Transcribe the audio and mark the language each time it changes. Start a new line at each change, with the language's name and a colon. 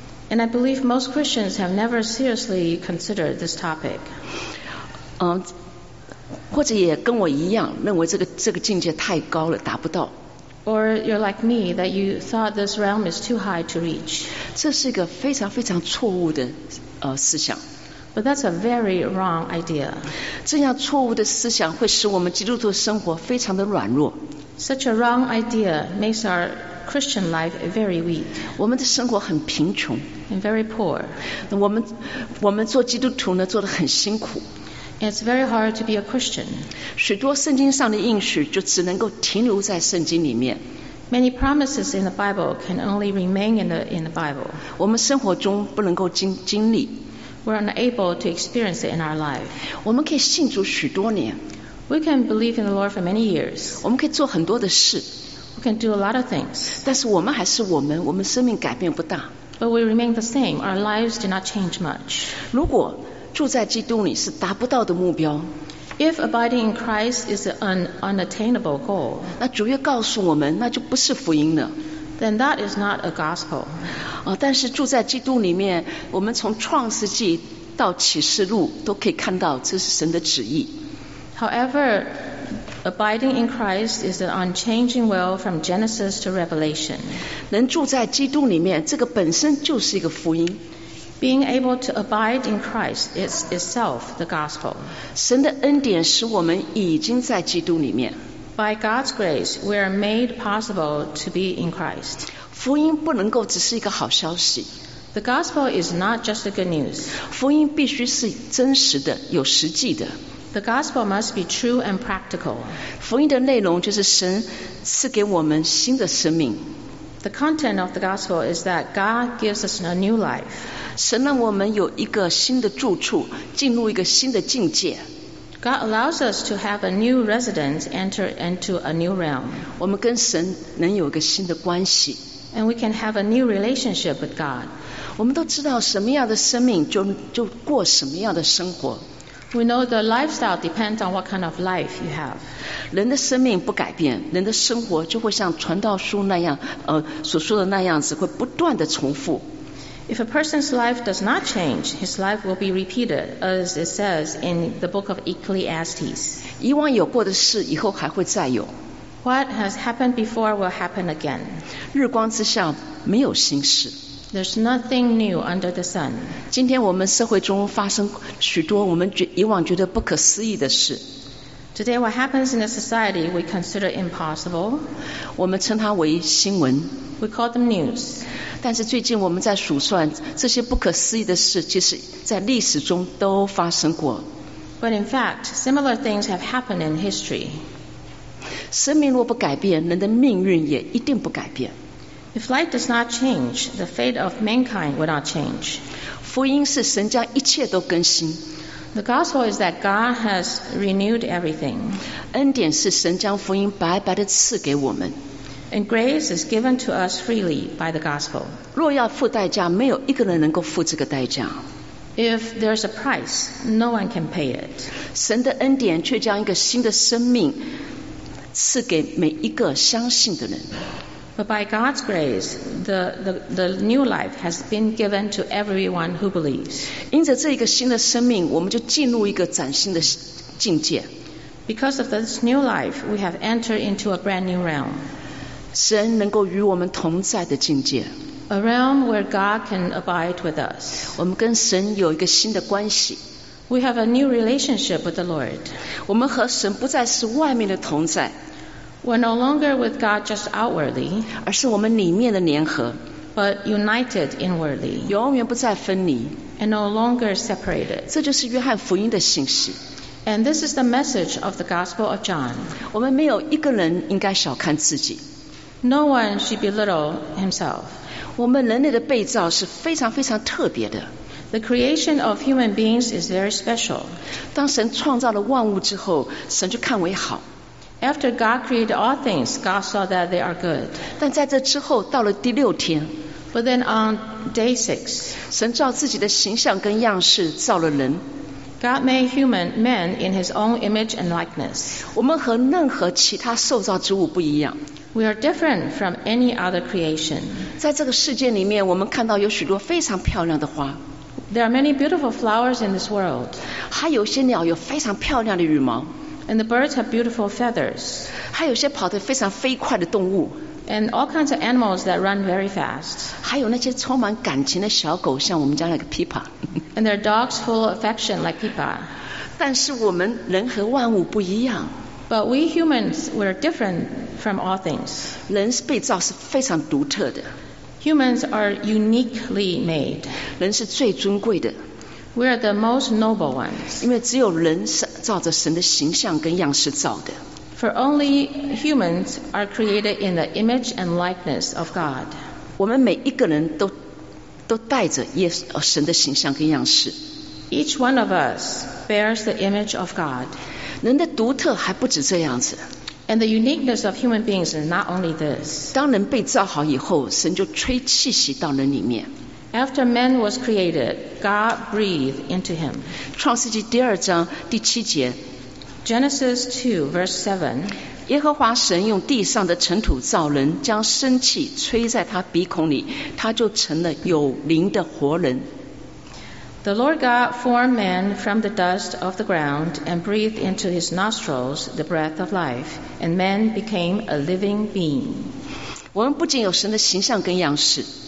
English: And I believe most Christians have never seriously considered this topic.
Chinese: 或者也跟我一样，认为这个境界太高了，达不到。
English: Or you're like me, that you thought this realm is too high to reach.
Chinese: 这是一个非常非常错误的思想。
English: But that's a very wrong idea.
Chinese: 这样错误的思想会使我们基督徒生活非常的软弱。
English: Such a wrong idea makes our Christian life very weak.
Chinese: 我们的生活很贫穷。
English: And very poor.
Chinese: 我们做基督徒呢，做得很辛苦。
English: It's very hard to be a Christian.
Chinese: 许多圣经上的应许就只能够停留在圣经里面。
English: Many promises in the Bible can only remain in the Bible.
Chinese: 我们生活中不能够经历。
English: We're unable to experience it in our life.
Chinese: 我们可以信主许多年。
English: We can believe in the Lord for many years.
Chinese: 我们可以做很多的事。
English: We can do a lot of things.
Chinese: 但是我们还是我们，我们生命改变不大。
English: But we remain the same. Our lives do not change much.
Chinese: 如果住在基督里是达不到的目标。
English: If abiding in Christ is an unattainable goal,
Chinese: 那主又告诉我们，那就不是福音了。
English: Then that is not a gospel.
Chinese: 但是住在基督里面，我们从创世纪到启示录都可以看到，这是神的旨意。
English: However, Abiding in Christ is an unchanging will from Genesis to Revelation.
Chinese: 能住在基督里面，这个本身就是一个福音。
English: Being able to abide in Christ is itself the gospel.
Chinese: 神的恩典使我们已经在基督里面。
English: By God's grace, we are made possible to be in Christ.
Chinese: 福音不能够只是一个好消息。
English: The gospel is not just the good news.
Chinese: 福音必须是真实的，有实际的。
English: The gospel must be true and practical.
Chinese: 福音的内容就是神赐给我们新的生命。
English: The content of the gospel is that God gives us a new life.
Chinese: 神让我们有一个新的住处，进入一个新的境界。
English: God allows us to have a new residence, enter into a new realm.
Chinese: 我们跟神能有一个新的关系。
English: And we can have a new relationship with God.
Chinese: 我们都知道什么样的生命就过什么样的生活。
English: We know the lifestyle depends on what kind of life you have.
Chinese: 人的生命不改变，人的生活就会像传道书那样，所说的那样子，会不断的重复。
English: If a person's life does not change, his life will be repeated, as it says in the book of Ecclesiastes.
Chinese: 以往有过的事，以后还会再有。
English: What has happened before will happen again.
Chinese: 日光之下，没有新事。
English: There's nothing new under the sun.
Chinese: 今天我们社会中发生许多我们以往觉得不可思议的事。
English: Today, what happens in a society we consider impossible?
Chinese: 我们称它为新闻。
English: We call them news.
Chinese: 但是最近我们在数算这些不可思议的事，其实在历史中都发生过。
English: But in fact, similar things have happened in history.
Chinese: 生命若不改变，人的命运也一定不改变。
English: If life does not change, the fate of mankind will not change.
Chinese: 福音是神将一切都更新。
English: The gospel is that God has renewed everything.
Chinese: 恩典是神将福音白白地赐给我们。
English: And grace is given to us freely by the gospel.
Chinese: 若要付代价，没有一个人能够付这个代价。
English: If there's a price, no one can pay it.
Chinese: 神的恩典却将一个新的生命赐给每一个相信的人。
English: But by God's grace, the new life has been given to everyone who believes.
Chinese: 因着这一个新的生命，我们就进入一个崭新的境界。
English: Because of this new life, we have entered into a brand new realm.
Chinese: 神能够与我们同在的境界。
English: A realm where God can abide with us.
Chinese: 我们跟神有一个新的关系。
English: We have a new relationship with the Lord.
Chinese: 我们和神不再是外面的同在。
English: We're no longer with God just outwardly,
Chinese: 而是我们里面的联合
English: but united inwardly,
Chinese: 永远不再分离
English: and no longer separated.
Chinese: 这就是约翰福音的信息
English: And this is the message of the Gospel of John.
Chinese: 我们没有一个人应该小看自己
English: No one should belittle himself.
Chinese: 我们人类的被造是非常非常特别的
English: The creation of human beings is very special.
Chinese: 当神创造了万物之后，神就看为好。
English: After God created all things, God saw that they are good.
Chinese: 但在这之后，到了第六天。
English: But then on day six,
Chinese: 神照自己的形象跟样式造了人。
English: God made human man in His own image and likeness.
Chinese: 我们和任何其他受造之物不一样。
English: We are different from any other creation.
Chinese: 在这个世界里面，我们看到有许多非常漂亮的花。
English: There are many beautiful flowers in this world.
Chinese: 还有些鸟有非常漂亮的羽毛。
English: And the birds have beautiful feathers.
Chinese: 还有些跑得非常飞快的动物。
English: And all kinds of animals that run very fast.
Chinese: 还有那些充满感情的小狗，像我们家那个 Pippa.
English: And there are dogs full of affection like Pippa.
Chinese: 但是我们人和万物不一样。
English: But we humans were different from all things.
Chinese: 人是被造是非常独特的。
English: Humans are uniquely made.
Chinese: 人是最尊贵的。
English: We are the most noble ones.
Chinese: 因为只有人是照着神的形象跟样式造的。
English: For only humans are created in the image and likeness of God.
Chinese: 我们每一个人都带着神的形象跟样式。
English: Each one of us bears the image of God.
Chinese: 人的独特还不止这样子。
English: And the uniqueness of human beings is not only this.
Chinese: 当人被造好以后，神就吹气息到人里面。
English: After man was created, God breathed into him.
Chinese: 创世纪第二章第七节。
English: Genesis 2, verse 7.
Chinese: 耶和华神用地上的尘土造人，将生气吹在他鼻孔里，他就成了有灵的活人。
English: The Lord God formed man from the dust of the ground and breathed into his nostrils the breath of life, and man became a living being.
Chinese: 我们不仅有神的形象跟样式。